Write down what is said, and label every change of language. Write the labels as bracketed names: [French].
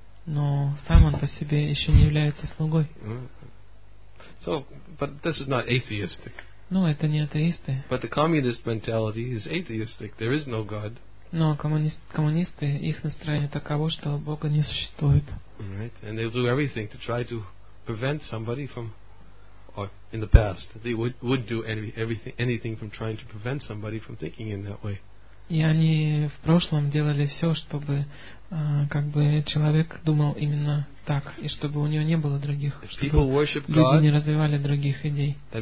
[Russian] Но сам он по себе еще не является слугой. [English] So, but this is not atheistic. [Russian] Ну, это не атеисты. [English] But the communist mentality is atheistic. There is no God. [Russian] Но коммунисты, их настроение таково, что Бога не существует. [English] Right. And they'll do everything to try to prevent somebody from, or in the past, they would do anything from trying to prevent somebody from thinking in that way. [Russian] И они в прошлом делали все, чтобы человек думал именно так, и чтобы у него не было других, чтобы люди не развивали других идей.